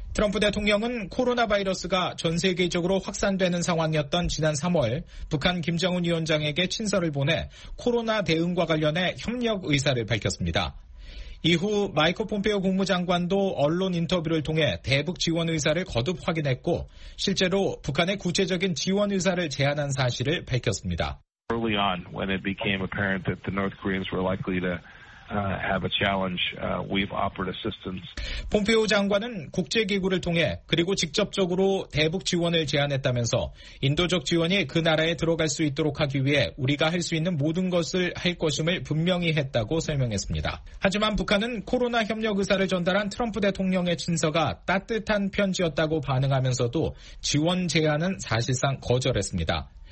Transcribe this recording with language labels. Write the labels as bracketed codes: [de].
[ko] 트럼프 대통령은 코로나 바이러스가 전 세계적으로 확산되는 상황이었던 지난 3월 북한 김정은 위원장에게 친서를 보내 코로나 대응과 관련해 협력 의사를 밝혔습니다. 이후 마이크 폼페이오 국무장관도 언론 인터뷰를 통해 대북 지원 의사를 거듭 확인했고 실제로 북한의 구체적인 지원 의사를 제안한 사실을 밝혔습니다. [en] Early on when it became apparent that the North Koreans were likely to have a challenge, we've offered assistance. [ko] 폼페이오 장관은 국제기구를 통해 그리고 직접적으로 대북 지원을 제안했다면서 인도적 지원이 그 나라에 들어갈 수 있도록 하기 위해 우리가 할 수 있는 모든 것을 할 것임을 분명히 했다고 설명했습니다. 하지만 북한은 코로나 협력 의사를 전달한 트럼프 대통령의 친서가 따뜻한 편지였다고 반응하면서도 지원 제안은 사실상 거절했습니다.